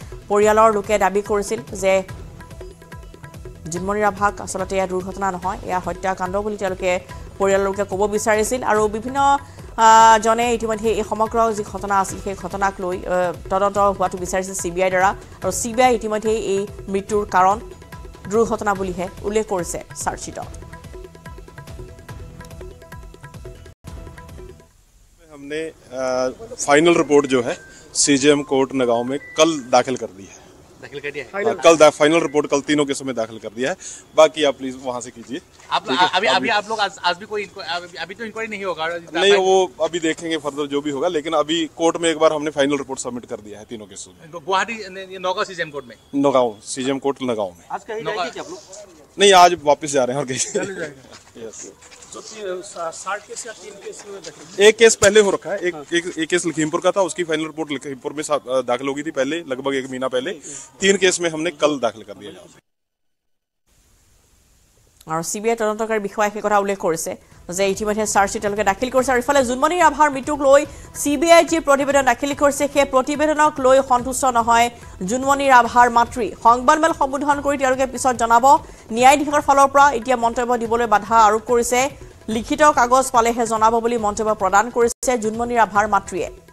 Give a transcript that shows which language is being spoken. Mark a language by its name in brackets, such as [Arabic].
[Assamese] পৰিয়ালৰ লোকে দাবী কৰিছিল যে জুনমণি ৰাভাক আচলতে এয়া দুৰ্ঘটনা নহয়, এয়া হত্যাকাণ্ড বুলি তেওঁলোকে পৰিয়ালৰ লোকে ক'ব বিচাৰিছিল। আৰু বিভিন্ন জনে ইতিমধ্যে এই সমগ্ৰ যি ঘটনা আছিল সেই ঘটনাক লৈ তদন্ত হোৱাটো বিচাৰিছিল চি বি আইৰ দ্বাৰা, আৰু চি বি আই ইতিমধ্যে এই মৃত্যুৰ কাৰণ দুৰ্ঘটনা বুলিহে উল্লেখ কৰিছে চাৰ্জশ্বীটত। [Hindi] हमने फाइनल रिपोर्ट जो है सीजेएम कोर्ट नगांव में कल दाखिल कर दी है। फाइनल रिपोर्ट कल तीनों केसों में दाखिल कर दिया है, बाकी आप प्लीज वहां से कीजिए। अभी वो अभी देखेंगे फर्दर जो भी होगा, लेकिन अभी कोर्ट में एक बार हमने फाइनल रिपोर्ट सबमिट कर दिया है तीनों केसों में। नगांव सीजेएम कोर्ट नगांव में नहीं, आज वापस जा रहे हैं और कहीं। एक केस पहले हो रखा है, एक केस लखीमपुर का था, उसकी फाइनल रिपोर्ट लखीमपुर में दाखिल हो गई थी पहले लगभग एक महीना पहले। तीन केस में हमने कल दाखिल कर दिया। [Assamese] আৰু চি বি আই তদন্তকাৰী বিষয়াই সেই কথা উল্লেখ কৰিছে যে ইতিমধ্যে চাৰ্জশ্বীট তেওঁলোকে দাখিল কৰিছে। আৰু ইফালে জুনমণি ৰাভাৰ মৃত্যুক লৈ চি বি আই যি প্ৰতিবেদন দাখিল কৰিছে সেই প্ৰতিবেদনক লৈ সন্তুষ্ট নহয় জুনমণি ৰাভাৰ মাতৃ। সংবাদমেল সম্বোধন কৰি তেওঁলোকে পিছত জনাব। ন্যায়াধীশৰ ফালৰ পৰা এতিয়া মন্তব্য দিবলৈ বাধা আৰোপ কৰিছে, লিখিত কাগজ পালেহে জনাব বুলি মন্তব্য প্ৰদান কৰিছে জুনমণি ৰাভাৰ মাতৃয়ে।